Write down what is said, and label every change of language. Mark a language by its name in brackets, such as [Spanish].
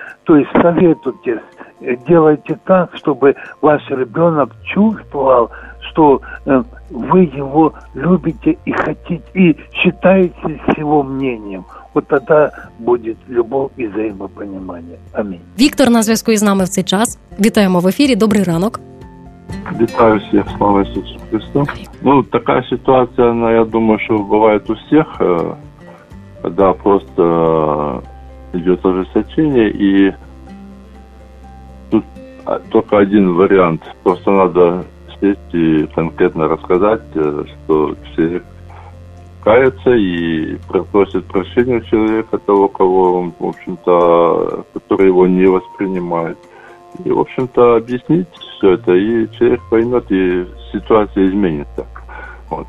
[Russian] То есть советуйтесь. Делайте так, чтобы ваш ребенок чувствовал, что вы его любите и хотите, и считаете с его мнением. Вот тогда будет любовь и взаимопонимание. [Ukrainian] Амінь. Віктор на зв'язку із нами в цей час. Вітаємо в ефірі. Добрий ранок. Вітаю всіх. Слава Ісусу Христу. Ну, така ситуація, ну, я думаю, що буває у всіх, коли просто йде ожесточення і [Russian] только один вариант. Просто надо сесть и конкретно рассказать, что человек кается и просит прощения у человека, того, кого он, в общем-то, который его не воспринимает. И, в общем-то, объяснить все это, и человек поймет, и ситуация изменится. Вот.